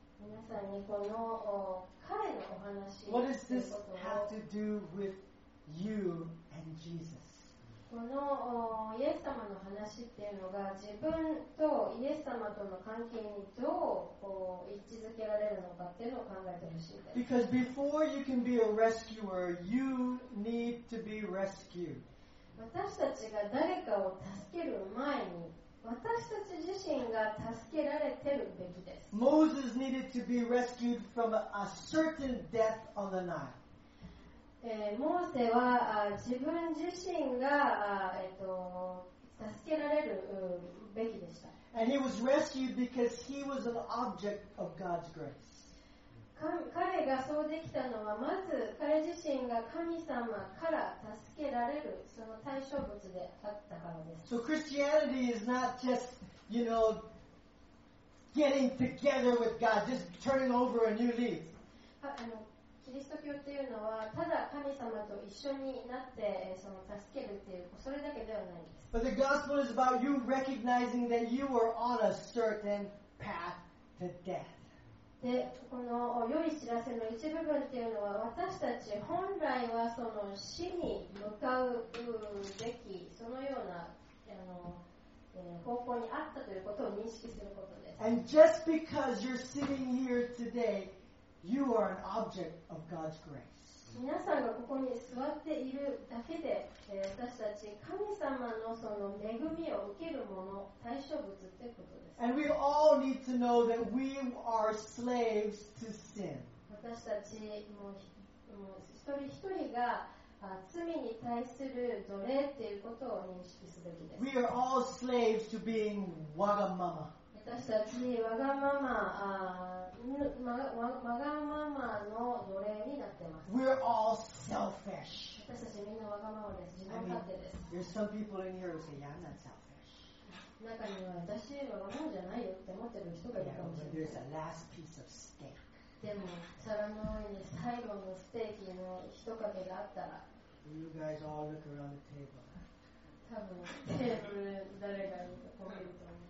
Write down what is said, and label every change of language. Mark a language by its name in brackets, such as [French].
[Japanese] 皆さんにこの彼のお話、 [English] What does this have to do with you and Jesus? [Japanese] このイエス様の話っていうのが自分とイエス様との関係にどう位置づけられるのかっていうのを考えてほしいです。 [English] Because before you can be a rescuer, you need to be rescued. [Japanese] 私たちが誰かを助ける前に私たち自身が助けられてるべきです。 [English] Moses needed to be rescued from a certain death on the Nile. [Japanese] モーセは自分自身が助けられるべきでした。 [English] And he was rescued because he was an object of God's grace. [Japanese] 彼がそうできたのはまず彼自身が神様から助けられるその対象物であったからです。 [English] So Christianity is not just, you know, getting together with God, just turning over a new leaf. [Japanese] キリスト教っていうのはただ神様と一緒になってその助けるっていうそれだけではないです。 [English] But the gospel is about you recognizing that you are on a certain path to death. [Japanese] でこの良い知らせの一部分っていうのは私たち本来はその死に向かうべきそのような方向にあったということを認識することです。 [English] And just because you're sitting here today, you are an object of God's grace. [Japanese] 皆さんがここに座っているだけで、私たち神様のその恵みを受けるもの、対象物ということです。 [English] And we all need to know that we are slaves to sin. [Japanese] 私たちも一人一人が罪に対する奴隷っていうことを認識すべきです。 [English] We are all slaves to being わがまま。 [Japanese] 私たちわがまま、わがままの奴隷になってます。 [English] We are all selfish. [Japanese] 私たちみんなわがままです。自分勝手です。 [English] There's some people in here who say, "Yeah, I'm not selfish." [Japanese] 中には私わがままじゃないよって思ってる人がいるかもしれない。 [English] There's a last piece of steak. [Japanese] でも皿の上に最後のステーキの一かけがあったら、 [English] You guys all look around the table. [Japanese] 多分テーブル誰が見ると思います。